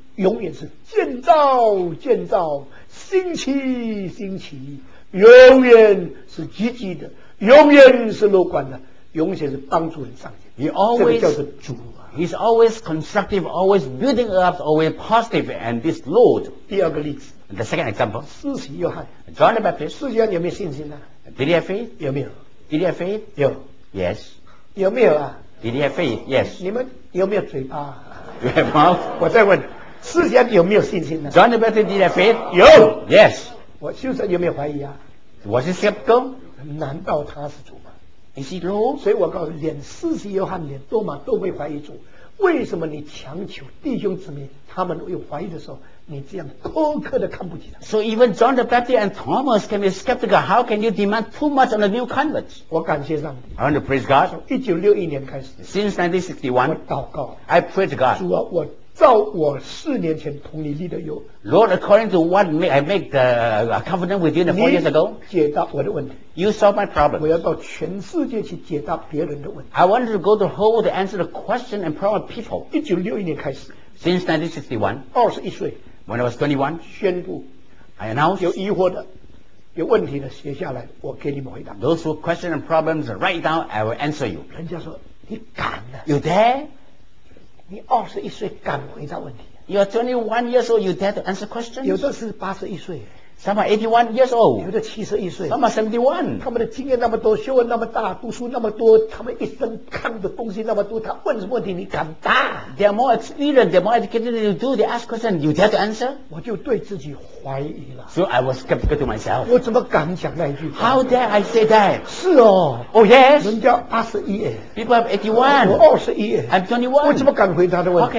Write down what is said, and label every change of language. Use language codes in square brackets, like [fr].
[zh] 永远是建造，兴起，永远是积极的，永远是乐观的，永远是帮助人上进。 [en] He always [zh] 这个叫做主啊。 [en] He's always constructive, always building up, always positive, and this Lord. [zh] 第二个例子。 [en] The second example. [zh] 施洗约翰。 [en] John the Baptist. [zh] 施洗约翰有没有信心呢 [en] ？Did he have faith? [zh] 有没有 [en] ？Did he have faith? [zh] 有。 [en] Yes. [zh] 有没有啊 [en] ？Did he have faith? Yes. [zh] 你们有没有嘴巴？ [en] You have mouth. [zh] 我再问，施洗约翰有没有信心呢 [en] ？John the Baptist did have faith. [zh] 有 [en] ，Yes. [zh] 我修身有没有怀疑啊 [en] ？Was he skeptical? [zh] 难道他是主吗 [en] ？Is he Lord? [zh] 所以我告诉你，连施洗约翰、连多马都会怀疑主。为什么你强求弟兄姊妹他们有怀疑的时候，你这样苛刻的看不起他 [en] ？So even John the Baptist and Thomas can be skeptical. How can you demand too much on a new convert? [zh] 我感谢上帝。 [en] I want to praise God. [zh] 从1961年开始。 [en] Since 1961, [zh] 我祷告。 [en] I pray to God. [zh] 主啊，我照我四年前同你立的约。 [en] Lord, according to what I make the covenant with you the 4 years ago. [zh] 你解答我的问题。 [en] You solve my problem. [zh] 我要到全世界去解答别人的问题。 [en] I wanted to go to the whole world to answer the question and problem of people. [zh] 1961年开始。 [en] Since 1961. [zh] 21岁。 [en] When I was 21. [zh] 宣布。 [en] I announced. [zh] 有疑惑的，有问题的写下来，我给你们回答。 [en] Those who question and problems, write down, I will answer you. [zh] 人家说你敢了。 [en] You dare? [zh] 你21岁敢回答问题、 [en] 啊、You're 21 years old, you dare to answer questions? [zh] 有的是81岁 [en] Some are 81 years old [zh] 有的71岁 [en] Some are 71 [zh] 他们的经验那么多学问那么大读书那么多他们一生看的东西那么多他问什么问题你敢答 [en] They are more experienced, they are more educated than you do They ask questions, you dare to answer? [zh] 我就对自己怀疑了 [en] So I was skeptical to myself [zh] 我怎么敢讲那一句 [en] How dare I say that? [zh] 是哦 [en] Oh yes [zh] 人家81耶 [en] People have 81 [zh] 我21耶 [en] I'm 21 [zh] 我怎么敢回答的问题